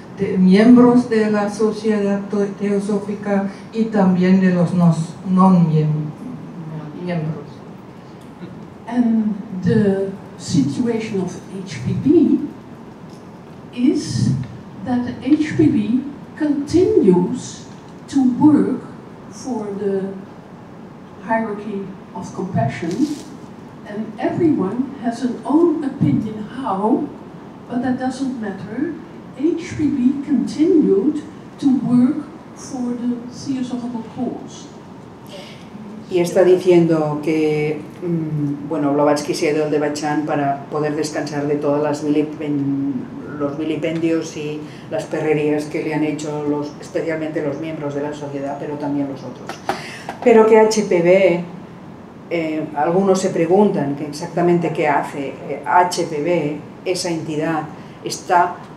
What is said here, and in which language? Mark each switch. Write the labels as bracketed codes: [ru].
[es] De miembros de la sociedad teosófica y también de los non-miembros. [en] And the situation of HPB is that HPB continues to work for the hierarchy of compassion, and everyone has an own opinion how, but that doesn't matter. HPB continued to work for the Theosophical cause. [es] Y está diciendo que, bueno, Blavatsky se ha ido al Devachan para poder descansar de todas las los vilipendios y las perrerías que le han hecho especialmente los miembros de la sociedad, pero también los otros. Pero que HPB, algunos se preguntan que exactamente qué hace HPB, esa entidad, está...